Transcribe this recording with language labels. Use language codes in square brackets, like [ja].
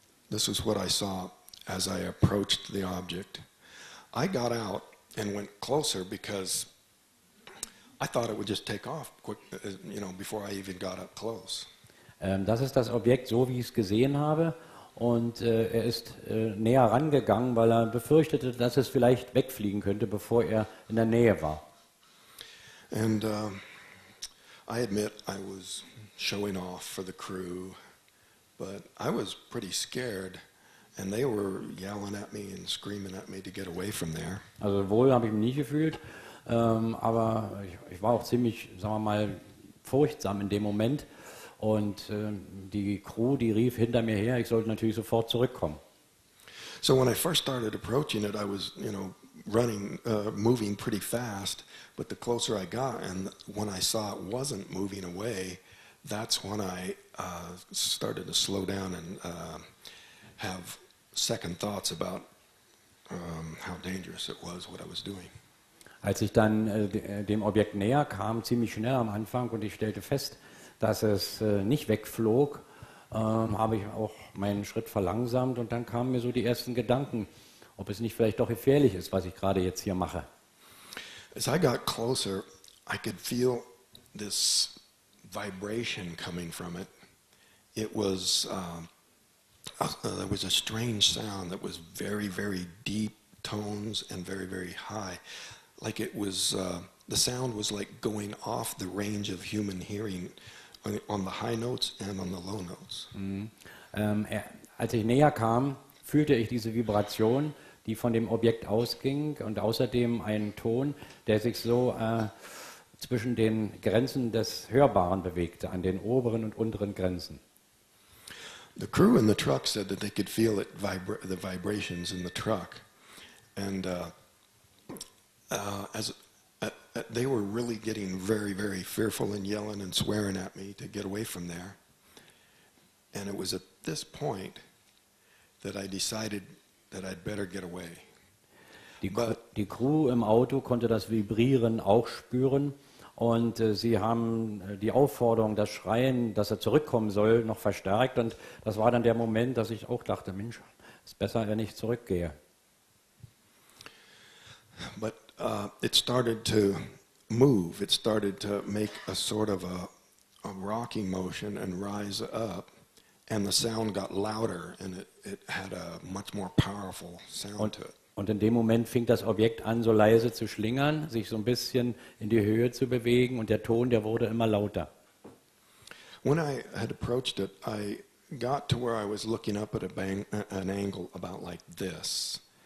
[en] This is what I saw as I approached the object. I got out and went closer because I thought it would just take off quick, you know, before I even got up close. [de] Das ist das Objekt, so wie ich es gesehen habe, und er ist näher rangegangen, weil er befürchtete, dass es vielleicht wegfliegen könnte, bevor er in der Nähe war. [en] And I admit I was showing off for the crew, but I was pretty scared. And they were yelling at me and screaming at me to get away from there. [de] Also wohl habe ich mich nicht gefühlt, aber ich war auch ziemlich, sagen wir mal, furchtsam in dem Moment. Und die Crew, die rief hinter mir her, ich sollte natürlich sofort zurückkommen. [en] So when I first started approaching it, I was, you know, running, moving pretty fast. But the closer I got and when I saw it wasn't moving away, that's when I started to slow down and have second thoughts about how dangerous it was, what I was doing. [de] Als ich dann dem Objekt näher kam, ziemlich schnell am Anfang, und ich stellte fest, dass es nicht wegflog, habe ich auch meinen Schritt verlangsamt, und dann kamen mir so die ersten Gedanken, ob es nicht vielleicht doch gefährlich ist, was ich gerade jetzt hier mache. [en] As I got closer, I could feel this vibration coming from it. It was there was a strange sound that was very, very deep tones and very, very high. Like it was, the sound was like going off the range of human hearing on the high notes and on the low notes. [de] Als ich näher kam, fühlte ich diese Vibration, die von dem Objekt ausging, und außerdem einen Ton, der sich so zwischen den Grenzen des Hörbaren bewegte, an den oberen und unteren Grenzen. [en] The crew in the truck said that they could feel it the vibrations in the truck, and They were really getting very, very fearful and yelling and swearing at me to get away from there. And it was at this point that I decided that I'd better get away. [de] Die Crew im Auto konnte das Vibrieren auch spüren und sie haben die Aufforderung, das Schreien, dass er zurückkommen soll, noch verstärkt. Und das war dann der Moment, dass ich auch dachte, Mensch, es ist besser, wenn ich zurückgehe. [en] But it started to move. It started to make a sort of a rocking motion and rise up. And the sound got louder and it had a much more powerful sound to it. [de] Und in dem Moment fing das Objekt an, so leise zu schlingern, sich so ein bisschen in die Höhe zu bewegen und der Ton, der wurde immer lauter. [en] When I had approached it, I got to where I was looking up at an angle about like this.